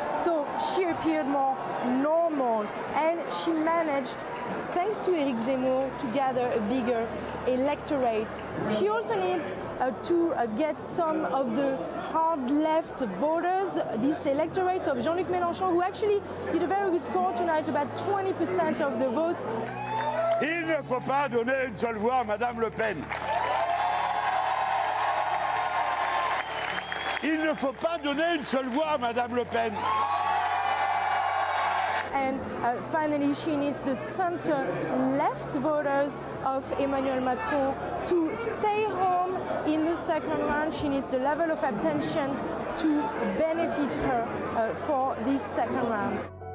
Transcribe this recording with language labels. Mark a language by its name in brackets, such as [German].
[English] So she appeared more normal, and she managed, thanks to Éric Zemmour, to gather a bigger electorate. She also needs to get some of the hard-left voters, this electorate of Jean-Luc Mélenchon, who actually did a very good score tonight, about 20% of the votes. [French] Il ne faut pas donner une seule voix à Madame Le Pen. Il ne faut pas donner une seule voix à Madame Le Pen. [English] And finally, she needs the center-left voters of Emmanuel Macron to stay home in the second round. She needs the level of abstention to benefit her for this second round.